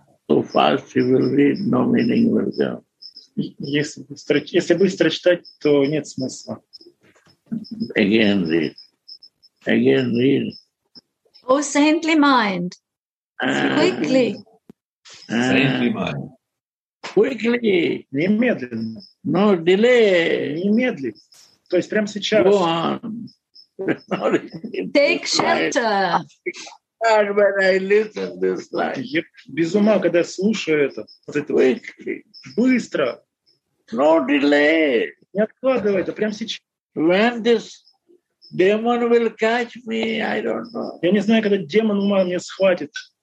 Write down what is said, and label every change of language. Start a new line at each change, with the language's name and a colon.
English: So fast you will read, no meaning will go.
Russian: Если быстро читать, то нет смысла.
English: Again read. Oh, saintly mind. Quickly. Saintly mind. Quickly.
Russian: Немедленно.
English: No delay.
Russian: Немедленно. То есть прямо сейчас.
English: Go on. Take shelter. When I listen to this line.
Russian: Я без ума, когда слушаю это.
English: Quickly.
Russian: Быстро.
English: No delay.
Russian: Не откладывай это, прямо сейчас.
English: When this demon will catch me, I don't know.
Russian: Я не знаю, когда демон ума меня схватит.